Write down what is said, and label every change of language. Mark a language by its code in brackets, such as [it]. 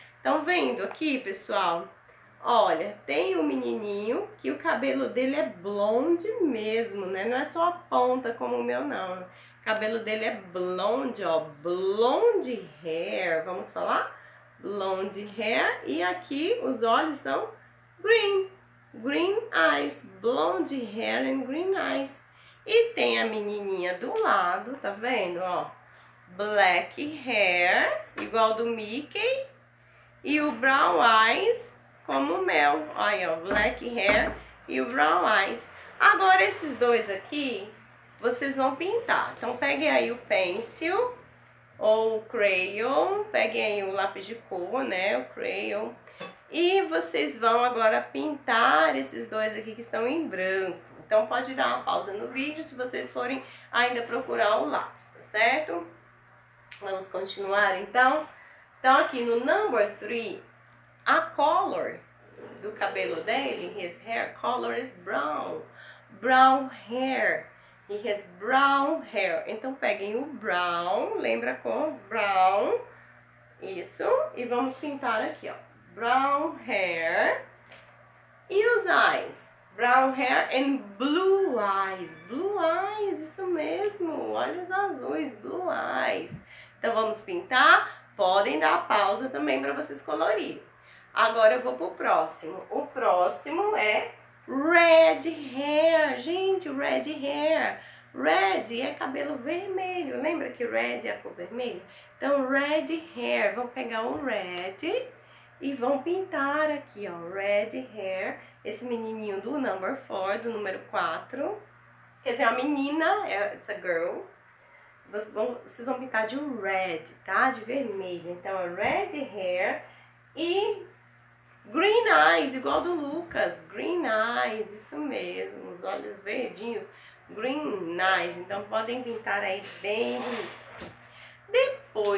[pt] Estão vendo aqui, pessoal? Olha, tem um menininho que o cabelo dele é blonde mesmo, né? Não é só a ponta como o meu, não. O cabelo dele é blonde, ó. [en] Blonde hair. [pt] Vamos falar? [en] Blonde hair. E aqui os olhos são green. Green eyes. Blonde hair and green eyes. [pt] E tem a menininha do lado, tá vendo, ó? [en] Black hair, [pt] igual do Mickey. E o [en] brown eyes, [pt] como o meu. Olha, ó, [en] black hair [pt] e o [en] brown eyes. [pt] Agora, esses dois aqui, vocês vão pintar. Então, peguem aí o pencil ou o crayon. Peguem aí o lápis de cor, né? O crayon. E vocês vão agora pintar esses dois aqui que estão em branco. Então, pode dar uma pausa no vídeo se vocês forem ainda procurar o lápis, tá certo? Vamos continuar, então. Então, aqui no number 3, a color do cabelo dele, [en] his hair color is brown. Brown hair. He has brown hair. [pt] Então, peguem o brown, lembra a cor? Brown. Isso. E vamos pintar aqui, ó. [en] Brown hair. [pt] E os eyes? [en] Brown hair and blue eyes. Blue eyes, [pt] isso mesmo. Olhos azuis, [en] blue eyes. [pt] Então, vamos pintar. Podem dar pausa também para vocês colorirem. Agora eu vou pro próximo. O próximo é [en] red hair. [pt] Gente, [en] red hair. [pt] Red é cabelo vermelho. Lembra que red é a cor vermelha? Então, [en] red hair. [pt] Vão pegar o red e vão pintar aqui, ó. [en] Red hair. [pt] Esse menininho do number 4, do número 4. Quer dizer, a menina, [en] it's a girl. [pt] Vocês vão pintar de red, tá? De vermelho. Então, é [en] red hair [pt] e [en] green eyes, [pt] igual do Lucas. [en] Green eyes, [pt] isso mesmo. Os olhos verdinhos. [en] Green eyes. [pt] Então, podem pintar aí bem. Depois,